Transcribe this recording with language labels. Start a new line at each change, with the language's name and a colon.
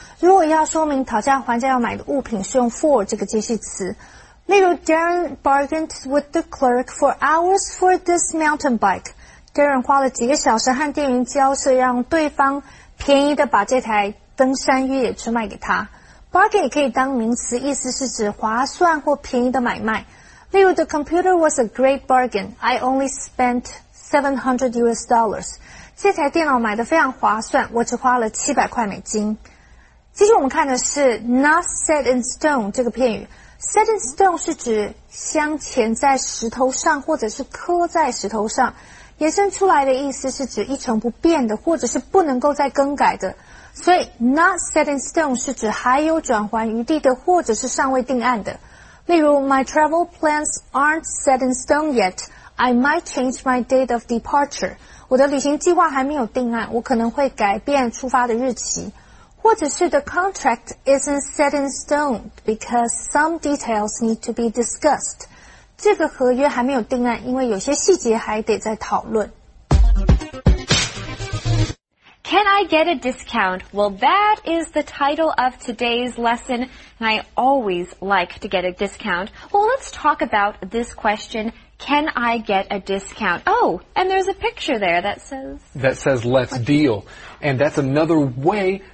Chinese: 如果要说明讨价还价要买的物品，是用 for 这个介系词。例如
English: ，Darren bargained with the clerk for hours for this mountain bike.
Chinese: Darren 花了几个小时和店员交涉，让对方便宜的把这台登山越野车卖给他。 Bargain 也可以当名词，意思是指划算或便宜的买卖。例如
English: ，The computer was a great bargain. I only spent $700.
Chinese: 这台电脑买得非常划算，我只花了700块美金。接着我们看的是 not set in stone 这个片语。 set in stone 是指镶嵌在石头上或者是刻在石头上。延伸出来的意思是指一成不变的或者是不能够再更改的。所以 not set in stone 是指还有转圜余地的或者是尚未定案的。例如
English: my travel plans aren't set in stone yet. I might change my date of departure.
Chinese: 我的旅行计划还没有定案，我可能会改变出发的日期。或者是
English: the contract isn't set in stone because some details need to be discussed.
Chinese: 这个合约还没有定案，因为有些细节还得再讨论。
English: Can I get a discount? Well, that is the title of today's lesson, and I always like to get a discount. Well, let's talk about this question, can I get a discount? Oh, and there's a picture there that says... That says, let's deal. And that's another way...